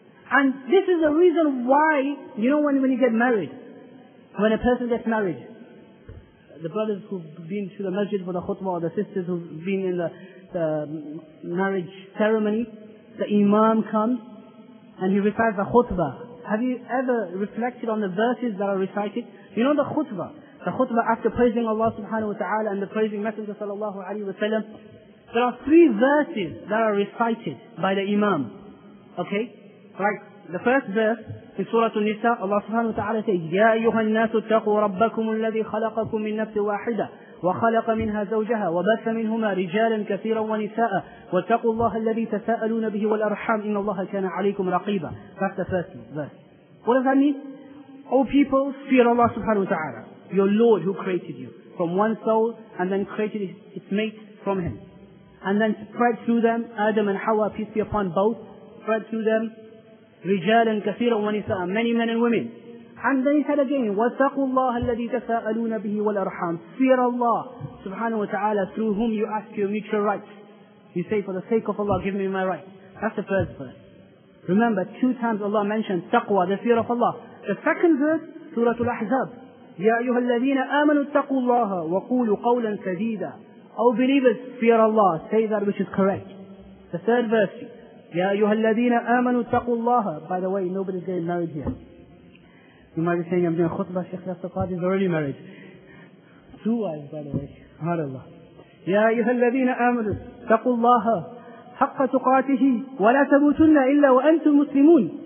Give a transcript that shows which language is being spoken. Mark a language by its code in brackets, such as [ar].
[en] And this is the reason why, you know, when you get married, when a person gets married, the brothers who've been to the masjid for the khutbah, or the sisters who've been in the marriage ceremony, the imam comes and he recites the khutbah. Have you ever reflected on the verses that are recited? You know the khutbah. The khutbah after praising Allah subhanahu wa ta'ala and the praising Messenger sallallahu alayhi wa sallam. There are three verses that are recited by the imam. Okay? Like the first verse in Surah An-Nisa, Allah subhanahu wa ta'ala says, [ar] يَا أَيُّهَا النَّاسُ اتَّقُوا رَبَّكُمُ الَّذِي خَلَقَكُم مِّن نَّفْسٍ وَاحِدَةٍ وَخَلَقَ مِنْهَا زَوْجَهَا وَبَثَّ مِنْهُمَا رِجَالًا كَثِيرًا وَنِسَاءً وَاتَّقُوا اللَّهَ الَّذِي تَسَاءَلُونَ بِهِ وَالْأَرْحَامَ إِنَّ اللَّهَ كَانَ عَلَيْكُمْ رَقِيبًا. [en] That's the first verse. What does that mean? O people, fear Allah subhanahu wa ta'ala. your Lord who created you from one soul and then created its mate from him. And then spread through them, Adam and Hawa, peace be upon both, spread through them, [ar] رِجَالًا كَثِيرًا وَنِسَاءً, [en] many men and women. And then he said again, [ar] وَاتَّقُوا اللَّهَ الَّذِي تَسَاءَلُونَ بِهِ وَالْأَرْحَامِ, [en] fear Allah subhanahu wa ta'ala, through whom you ask your mutual rights. You say, for the sake of Allah, give me my rights. That's the first verse. Remember, two times Allah mentioned taqwa, the fear of Allah. The second verse, Surah Al-Ahzab, [ar] يَا أَيُّهَا الَّذِينَ آمَنُوا اتَّقُوا اللَّهَ وَقُولُوا قَوْلًا سَدِيدًا. [en] Oh believers, fear Allah, say that which is correct. The third verse, [ar] يَا أَيُّهَا الَّذِينَ آمَنُوا اتَّقُوا اللَّهَ. [en] By the way, nobody's getting married here. You might be saying, I'm doing khutbah, Shaykh Yastafad is already married. Two wives, by the way. Subhanallah. [ar] يَا أَيُّهَا الَّذِينَ آمَنُوا اتَّقُوا اللَّهَ حَقَّ تُقَاتِهِ وَلَا تَمُوتُنَّ إِلَّا وَأَنْتُمْ مُسْلِمُونَ.